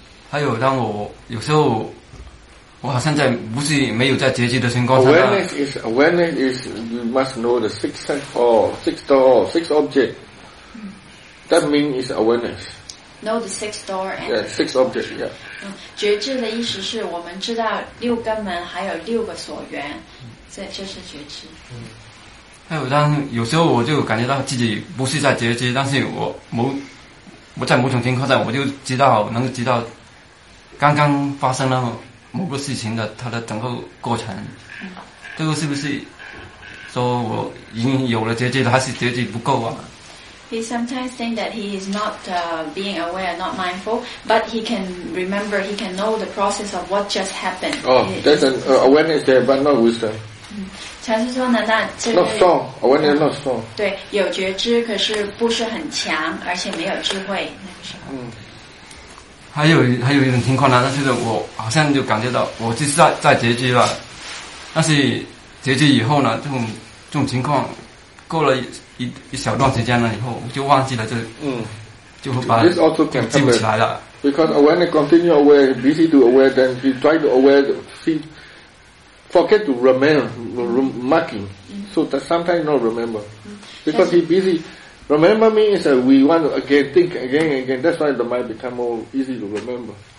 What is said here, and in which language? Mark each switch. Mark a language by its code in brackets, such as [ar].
[zh] 还有当我有时候我好像在不是没有在觉知的情况下， [en] Awareness is you must know the six sense or six door or six object. That means is awareness. Know the six door and six object. Yeah. [zh] 觉知的意思是我们知道六根门还有六个所缘，这就是觉知。还有当有时候我就感觉到自己不是在觉知，但是我在某种情况下我就知道能知道刚刚发生了某个事情的它的整个过程，这个是不是说我已经有了觉知，还是觉知不够啊？ [en] He sometimes think that he is not being aware, not mindful, but he can remember, he can know the process of what just happened. Oh, there's an awareness there, but not wisdom. [zh] 禅师说呢，那这个 [en] not strong, awareness not strong. [zh] 对，有觉知，可是不是很强，而且没有智慧，那个时候。还有一种情况呢，但是我好像就感觉到我就是在觉知了，但是觉知以后呢，这种情况过了一小段时间了以后，我就忘记了就就会把就记不起来了。 [en] Because awareness continue aware, busy to aware, then he try to aware, he forget to remember marking, so that sometimes not remember because he busy. Remember me is that we want to again think again and again. That's why the mind become more easy to remember.